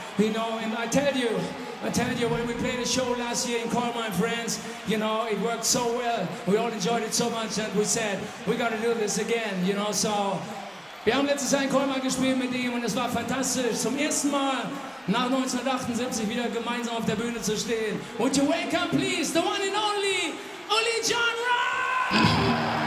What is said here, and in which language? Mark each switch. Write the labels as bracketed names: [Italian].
[English] You know, and I tell you, when we played a show last year in Call My Friends, you know, it worked so well. We all enjoyed it so much that we said, we gotta do this again, you know. [German] So, wir haben letztes Jahr in Colmar gespielt mit ihm und es war fantastisch. Zum ersten Mal nach 1978 wieder gemeinsam auf der Bühne zu stehen. [English] Would you welcome, please, the one and only, Uli John Rock!